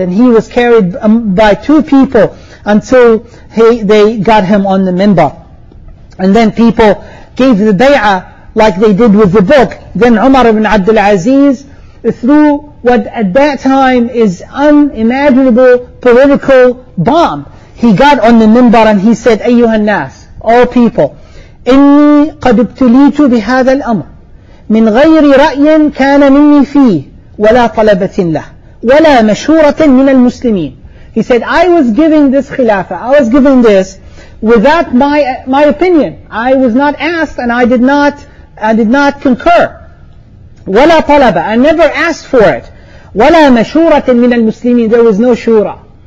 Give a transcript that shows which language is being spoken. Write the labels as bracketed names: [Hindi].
[English] And he was carried by two people until they got him on the minbar. And then people gave the bay'ah like they did with the book. Then Umar ibn Abd al-Aziz, threw what at that time is unimaginable political bomb. He got on the minbar and he said, [Arabic] أيها الناس, [English] all people, [Arabic] إني قد ابتليت بهذا الأمر من غير رأي كان مني فيه ولا طلبة له ولا مشورة من المسلمين. [English] He said, I was giving this khilafah, I was giving this without my opinion. I was not asked and I did not concur. [Arabic] وَلَا طَلَبَ. [English] I never asked for it. [Arabic] وَلَا مَشُورَةٍ مِنَ الْمُسْلِمِينَ. [English] There was no shura.